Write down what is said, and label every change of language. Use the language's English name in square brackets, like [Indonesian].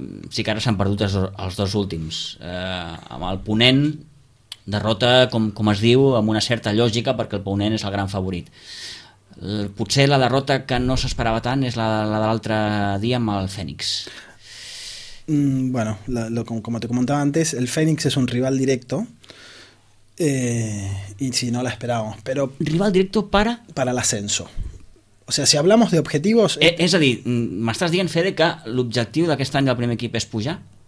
[Catalan] Sí que ara s'han perdut els dos últims, amb el Ponent derrota, com es diu, amb una certa lògica, perquè el Ponent és el gran favorit. Potser la derrota que no s'esperava tant és la de l'altre dia amb el Fénix. [Spanish] Bueno, como te comentaba antes, el Fénix es un rival directo, y si no la esperábamos, pero rival directo para el ascenso. O sea, si hablamos de objetivos... [Catalan] És a dir, m'estàs dient, Fede, que l'objectiu d'aquest any del primer equip és pujar?